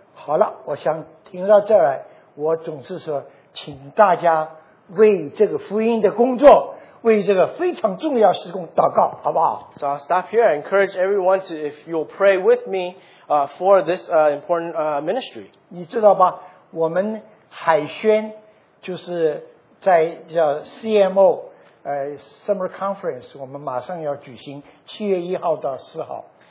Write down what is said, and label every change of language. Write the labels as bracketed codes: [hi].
[zh] 好了，我想听到这儿来，我总是说，请大家为这个福音的工作，为这个非常重要事工祷告，好不好？ [en] So I'll stop here. I encourage everyone to, if you'll pray with me, for this important ministry. [zh] 你知道吧？我们海宣就是在叫 CMO Summer Conference， 我们马上要举行，7月1号到4号。